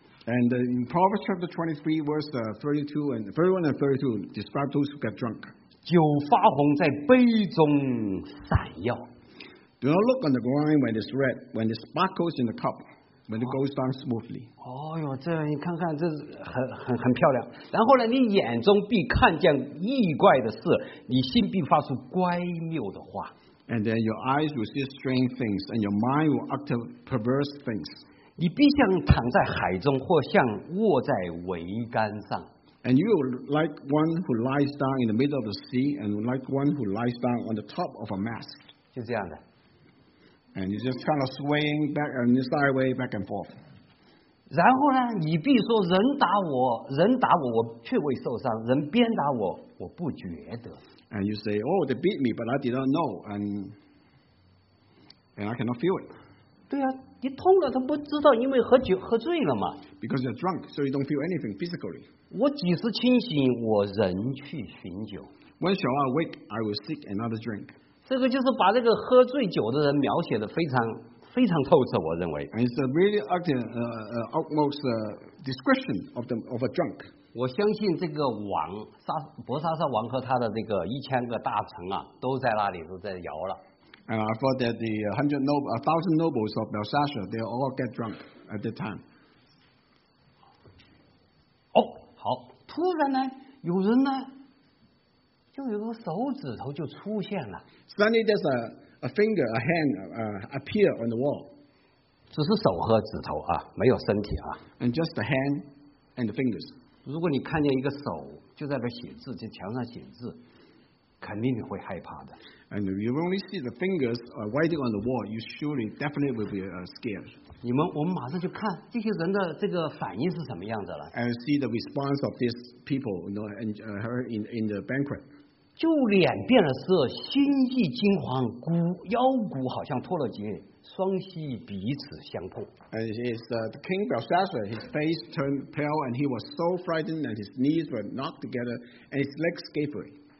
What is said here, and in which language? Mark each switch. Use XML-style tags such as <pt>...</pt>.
<en>And in Proverbs chapter 23, verse 31 and 32 describe those who get drunk.</en> <zh>酒发红，在杯中闪耀。</zh> <en>Do not look on the wine when it's red, when it sparkles in the cup, when it goes down smoothly.</en> <zh>哦哟，这你看看，这很漂亮。然后呢，你眼中必看见异怪的事，你心必发出乖谬的话。</zh> <en>And then your eyes will see strange things, and your mind will utter perverse things.</en> <zh>你必像躺在海中，或像卧在桅杆上。</zh> <en>And you like one who lies down in the middle of the sea, and like one who lies down on the top of a mast.</en> <zh>就这样的。</zh> <en>And you're just kind of swaying back and sideways, back and forth.</en> <zh>然后呢，你必说人打我，我却未受伤；人鞭打我，我不觉得。</zh> <en>And you say, oh, they beat me, but I did not know, and I cannot feel it.</en> <zh>对啊，你痛了，他不知道，因为喝酒喝醉了嘛。</zh> <en>Because you're drunk, so you don't feel anything physically.</en> <zh>我几时清醒，我仍去寻酒。</zh> <en>When shall I wake? I will seek another drink.</en> <zh>这个就是把这个喝醉酒的人描写的非常透彻，我认为。</zh> <en>And it's a really utmost description of a drunk.</en> <zh>我相信这个王伯沙撒王和他的这个一千个大臣啊，都在那里都在摇了。</zh> <en>And I thought that the 100 noble, 1,000 nobles of Belshazzar, they all get drunk at that time.</en> <zh>哦，好，突然呢，有人呢，就有个手指头就出现了。</zh> <en>Suddenly there's a finger, a hand, appear on the wall.</en> <zh>只是手和指头啊，没有身体啊。</zh> <en>And just the hand and the fingers.</en> <zh>如果你看见一个手就在那写字，在墙上写字。肯定你会害怕的。</zh> <en>And if you only see the fingers writing on the wall, you surely definitely will be scared.</en> <zh>你们，我们马上就看这些人的这个反应是什么样子了。</zh> <en>And see the response of these people, you know, and her in the banquet.</en> <zh>就脸变了色，心意惊慌，骨腰骨好像脱了节，双膝彼此相碰。</zh> <en>And his the king Belshazzar, his face turned pale, and he was so frightened that his knees were knocked together, and his legs gave way.</en>